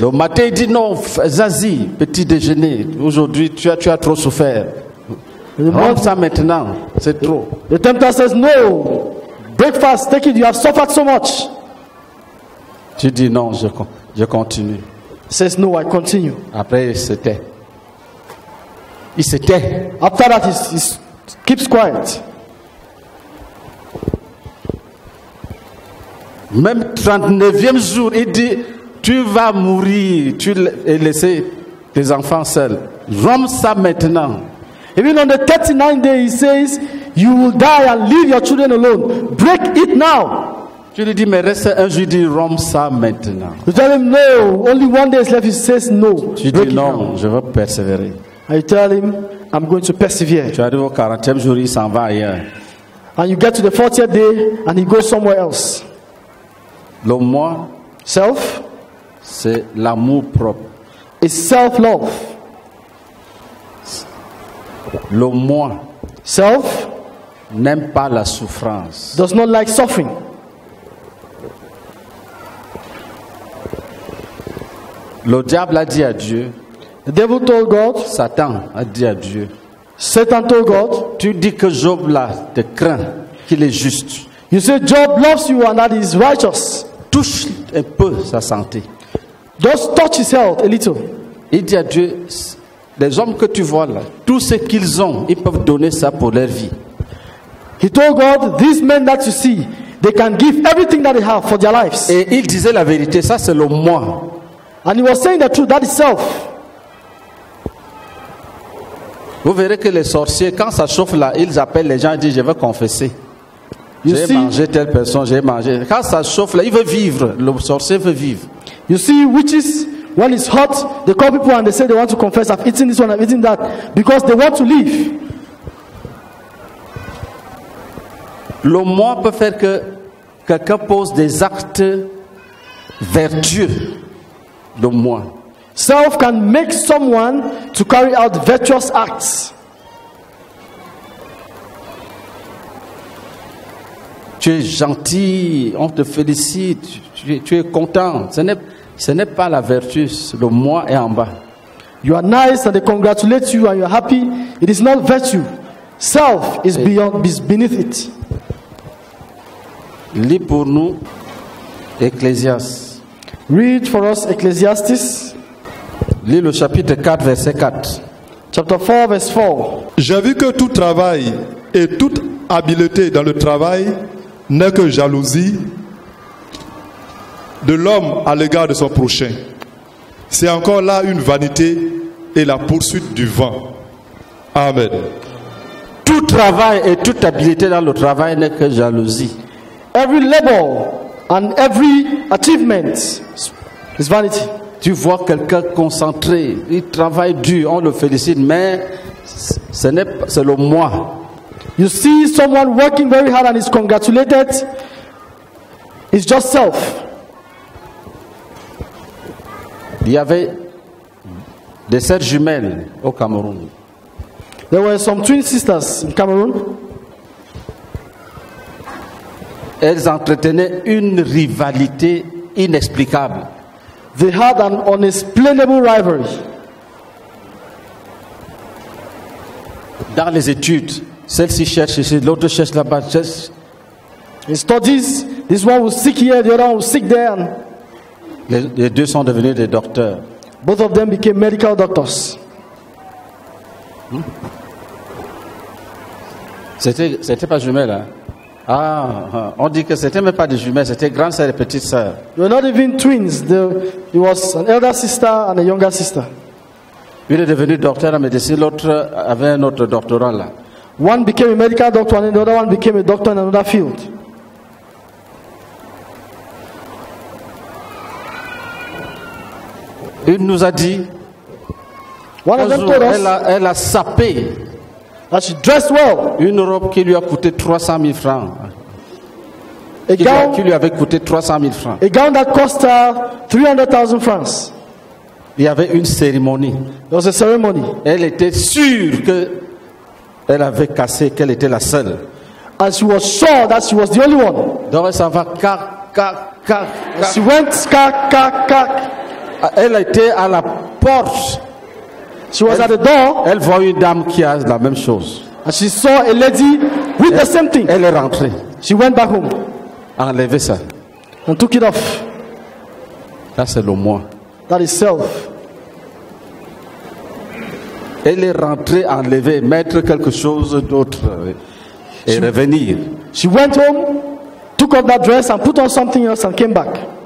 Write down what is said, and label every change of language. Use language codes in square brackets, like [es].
[fr] Le matin, il dit non, vas-y, petit déjeuner. Aujourd'hui, tu as trop souffert. Rends ça maintenant, c'est trop. [en] The tempter says, no, breakfast, take it, you have suffered so much. [fr] Tu dis non, je continue. [en] He says, no, I continue. [fr] Après, c'était. Il s'était. [en] After that, he keeps quiet. [fr] Même 39e jour, il dit, tu vas mourir, tu es laissé tes enfants seuls. Rompe ça maintenant. [en] Even on the 39th day, he says, you will die and leave your children alone. Break it now. [fr] Tu lui dis, mais reste un jour, dit, rompe ça maintenant. [en] You tell him, no, only one day is left. He says, no. [fr] Tu dis, non, je veux persévérer. [en] I tell him, I'm going to persevere. [fr] Tu arrives au 40e jour, il s'en va ailleurs. [en] And you get to the 40th day, and he goes somewhere else. [fr] Le moi, [en] self, [fr] c'est l'amour propre. [en] It's self-love. [fr] Le moi, [en] self, [fr] n'aime pas la souffrance. [en] Does not like suffering. [fr] Le diable a dit à Dieu. [en] The devil told God, [fr] Satan a dit à Dieu. [en] Satan told God, [fr] tu dis que Job là te craint, qu'il est juste. [en] You say Job loves you and that he is righteous. [fr] Touche un peu sa santé. [en] Just touch his health a little. [fr] Il dit à Dieu, les hommes que tu vois là, tout ce qu'ils ont, ils peuvent donner ça pour leur vie. [en] He told God, these men that you see, they can give everything that they have for their lives. [fr] Et il disait la vérité, ça c'est le moi. [en] And he was saying the truth, that is self. [fr] Vous verrez que les sorciers, quand ça chauffe là, ils appellent les gens et disent, je veux confesser. J'ai mangé telle personne, j'ai mangé. Quand ça chauffe là, il veut vivre. Le sorcier veut vivre. [en] You see, witches, when it's hot, they call people and they say they want to confess. I've eaten this one, I've eaten that. Because they want to live. [fr] Le moi peut faire que quelqu'un pose des actes vertueux. Le moi. [en] Self can make someone to carry out virtuous acts. [fr] Tu es gentil, on te félicite, tu es content. Ce n'est pas la vertu, le moi est en bas. [en] You are nice and they congratulate you and you are happy. It is not virtue. Self is beyond, is beneath it. [fr] Lis pour nous Ecclésiastes. [en] Read for us Ecclesiastes. [fr] Lis le chapitre 4, verset 4. [en] Chapter 4, verse 4. [fr] J'ai vu que tout travail et toute habileté dans le travail n'est que jalousie de l'homme à l'égard de son prochain. C'est encore là une vanité et la poursuite du vent. Amen. Tout travail et toute habileté dans le travail n'est que jalousie. [en] Every labor and every achievement is vanity. [fr] Tu vois quelqu'un concentré, il travaille dur, on le félicite, mais c'est le moi. [en] You see someone working very hard and is congratulated, it's just self. [fr] Il y avait des sœurs jumelles au Cameroun. [en] There were some twin sisters in Cameroon. [fr] Elles entretenaient une rivalité inexplicable. [en] They had an unexplainable rivalry. [fr] Dans les études, celle-ci cherche ici, l'autre cherche là-bas. [en] Les studies, this one was sick here, the other one was sick there. [fr] Les deux sont devenus des docteurs. [en] Both of them became medical doctors. [fr] C'était pas jumelles, hein? Ah, on dit que c'était même pas des jumelles, c'était grande sœur et petite sœur. [en] They were not even twins. It was an elder sister and a younger sister. [fr] Une est devenue docteur en médecine, l'autre avait un autre doctorat là. [en] One became a medical doctor and the other one became a doctor in another field. [fr] Une nous a dit, [en] one of them told us, [fr] elle a sapé. [en] That she dressed well. [fr] Une robe qui lui a coûté 300 000 francs. Qui lui avait coûté 300 000 francs. [en] A gown that cost her 300 000 francs. [fr] Il y avait une cérémonie. [en] There was a ceremony. [fr] Elle était sûre que elle avait cassé, qu'elle était la seule. [en] And she was sure that she was the only one. [fr] Donc elle s'en va, cac, cac, cac. [en] She went, cac, cac, cac. [fr] Elle était à la porte. [en] She was at the door. [fr] Elle voit une dame qui a la même chose. [en] And she saw a lady with the same thing. [fr] Elle est rentrée. [en] She went back home. [fr] Enlevez ça. [en] And took it off. [fr] Ça c'est le moi. [en] That is self. [fr] Elle est rentrée, enlevée, mettre quelque chose d'autre et revenir. [en] She went home, took off that dress and put on something else and came back.